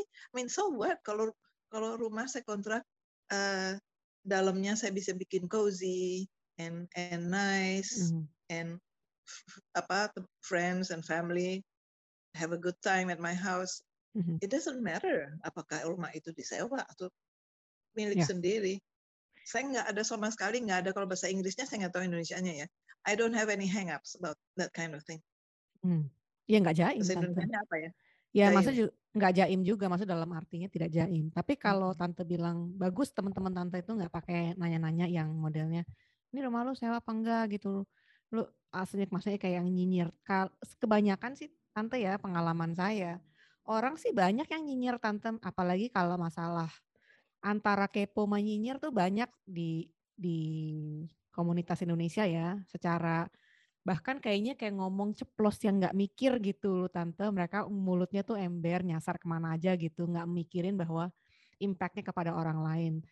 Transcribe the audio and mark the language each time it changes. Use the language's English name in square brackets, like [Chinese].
[English] I mean, so what? [Indonesian] Kalau rumah saya kontrak, dalamnya saya bisa bikin [English] cozy and nice and apa, friends and family have a good time at my house. It doesn't matter [Indonesian] apakah rumah itu disewa atau milik sendiri. Saya nggak ada sama sekali, nggak ada, kalau bahasa Inggrisnya saya nggak tahu Indonesianya ya. [English] I don't have any hang-ups about that kind of thing. [Indonesian] Ya nggak jaim. Bahasa Indonesianya apa ya? Ya maksudnya nggak jaim juga, maksudnya dalam artinya tidak jaim. Tapi kalau tante bilang bagus, teman-teman tante itu nggak pakai nanya-nanya yang modelnya, ini rumah lu sewa apa enggak gitu. Lu aslinya maksudnya kayak yang nyinyir. Kebanyakan sih tante ya, pengalaman saya, orang sih banyak yang nyinyir tante, apalagi kalau masalah antara kepo sama nyinyir tuh banyak di komunitas Indonesia ya, secara bahkan kayaknya kayak ngomong ceplos yang nggak mikir gitu loh tante, mereka mulutnya tuh ember, nyasar kemana aja gitu, nggak mikirin bahwa impact-nya kepada orang lain.